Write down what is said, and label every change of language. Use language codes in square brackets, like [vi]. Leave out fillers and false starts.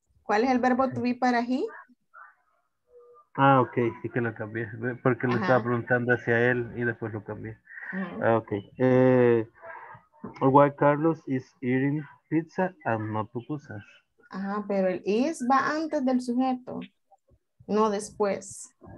[es] ¿Cuál es el verbo to be para he? Ah, ok. Sí que lo cambié. Porque lo estaba preguntando hacia él y después lo cambié. Uh-huh. Ok. [en] Why Carlos is eating pizza and not pupusas. [es] Ajá, pero el is va antes del sujeto, no después.